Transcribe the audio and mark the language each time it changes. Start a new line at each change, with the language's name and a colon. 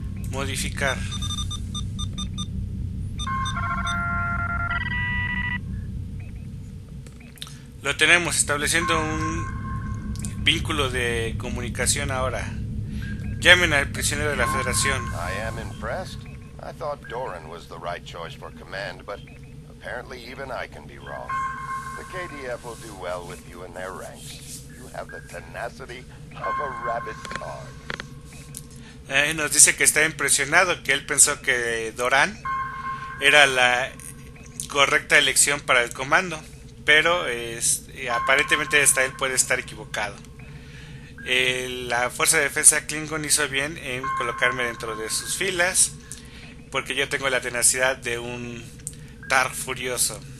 Spanish: Modificar. Lo tenemos estableciendo un vínculo de comunicación ahora. Llamen al prisionero de la Federación.
English: I am impressed. I thought Doran was the right choice for command, but apparently even I can be wrong. The KDF will do well with you in their ranks. You have the tenacity of a rabid dog.
Spanish: Nos dice que está impresionado, que él pensó que Doran era la correcta elección para el comando, pero aparentemente hasta él puede estar equivocado. La Fuerza de Defensa Klingon hizo bien en colocarme dentro de sus filas, porque yo tengo la tenacidad de un Targ furioso.